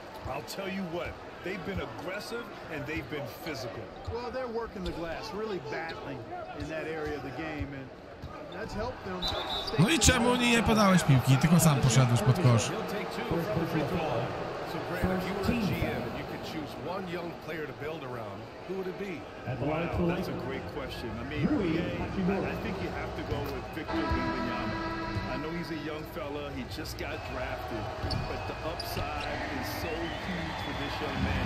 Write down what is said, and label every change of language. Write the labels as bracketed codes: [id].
[en] I'll tell you what, they've been aggressive and they've been physical. Well, they're working the glass, really battling in that area of the game, and that's helped them. [pl] No i czemu nie podałeś piłki, tylko sam poszedłeś pod kosz. [en] So Grant, if you were a GM and you could choose one young player to build around, who would it be? Wow, that's a great question. I mean, I think you have to go with Victor Wembanyama. I know he's a young fella, he just got drafted, but the upside is so huge for this young man.